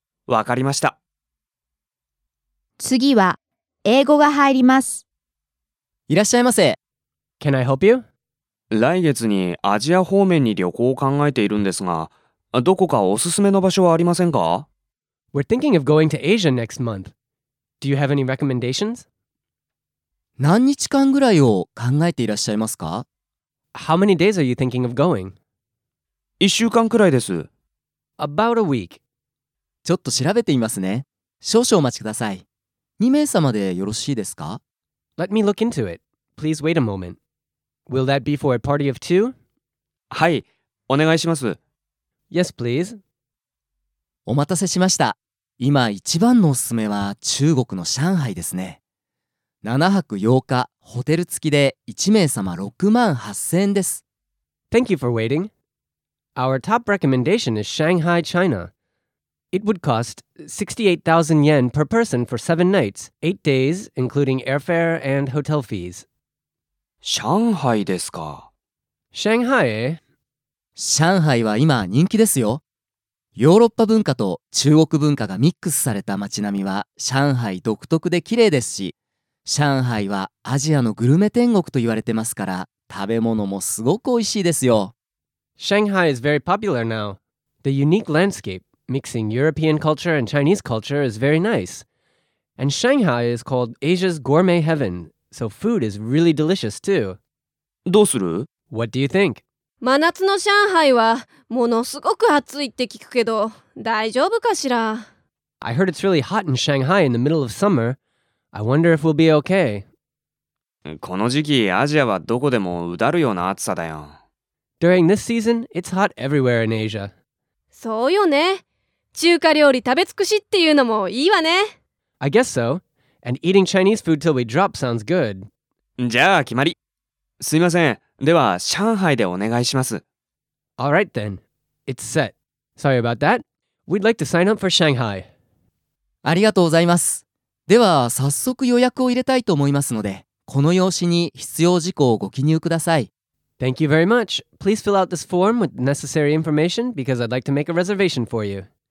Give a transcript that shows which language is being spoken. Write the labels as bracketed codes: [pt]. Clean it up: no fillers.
[ja] わかりました。次は英語が入ります。いらっしゃいませ。 [en] Can I help you? [ja] 来月にアジア方面に旅行を考えているんですが、どこかおすすめの場所はありませんか？ [en] We're thinking of going to Asia next month. Do you have any recommendations? [ja] 何日間ぐらいを考えていらっしゃいますか？ [en] How many days are you thinking of going? [ja] 一週間くらいです。 [en] About a week. [ja] ちょっと調べてみますね。少々お待ちください。2名様でよろしいですか？ [en] Let me look into it. Please wait a moment. Will that be for a party of two? [ja] はい、お願いします。 [en] Yes, please. [ja] お待たせしました。今一番のおすすめは中国の上海ですね。 7泊8日、ホテル付きで1名様6万8000円です。 [en] Thank you for waiting. Our top recommendation is Shanghai, China. It would cost 68,000 yen per person for 7 nights, 8 days, including airfare and hotel fees. [ja] 上海ですか？ [en] Shanghai, eh? [ja] 上海は今人気ですよ。ヨーロッパ文化と中国文化がミックスされた街並みは上海独特で綺麗ですし、上海はアジアのグルメ天国と言われてますから、食べ物もすごく美味しいですよ。 [en] Shanghai is very popular now. The unique landscape, mixing European culture and Chinese culture, is very nice. And Shanghai is called Asia's gourmet heaven, so food is really delicious too. [ja] どうする？ [en] What do you think? [ja] 真夏の上海はものすごく暑いって聞くけど、大丈夫かしら？ [en] I heard it's really hot in Shanghai in the middle of summer. I wonder if we'll be okay. [ja] この時期アジアはどこでもうだるような暑さだよ。 [en] During this season, it's hot everywhere in Asia. [ja] そうよね。中華料理食べ尽くしっていうのもいいわね。 [en] I guess so. And eating Chinese food till we drop sounds good. [ja] じゃあ決まり。すいません。では上海でお願いします。 [en] All right then. It's set. Sorry about that. We'd like to sign up for Shanghai. [ja] ありがとうございます。では早速予約を入れたいと思いますので、この用紙に必要事項をご記入ください。 [en] Thank you very much. Please fill out this form with necessary information because I'd like to make a reservation for you.